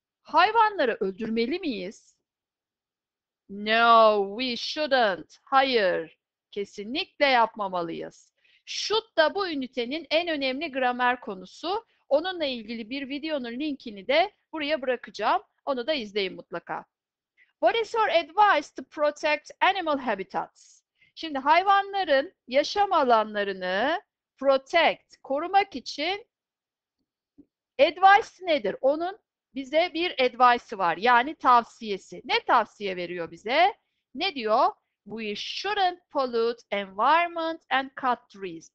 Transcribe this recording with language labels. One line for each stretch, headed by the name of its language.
Turkish: Hayvanları öldürmeli miyiz?
English: No, we shouldn't.
Turkish: Hayır. Kesinlikle yapmamalıyız. Should da bu ünitenin en önemli gramer konusu. Onunla ilgili bir videonun linkini de buraya bırakacağım. Onu da izleyin mutlaka.
English: What is your advice to protect animal habitats?
Turkish: Şimdi hayvanların yaşam alanlarını protect, korumak için advice nedir? Onun bize bir advice'ı var. Yani tavsiyesi. Ne tavsiye veriyor bize? Ne diyor?
English: We shouldn't pollute environment and cut trees.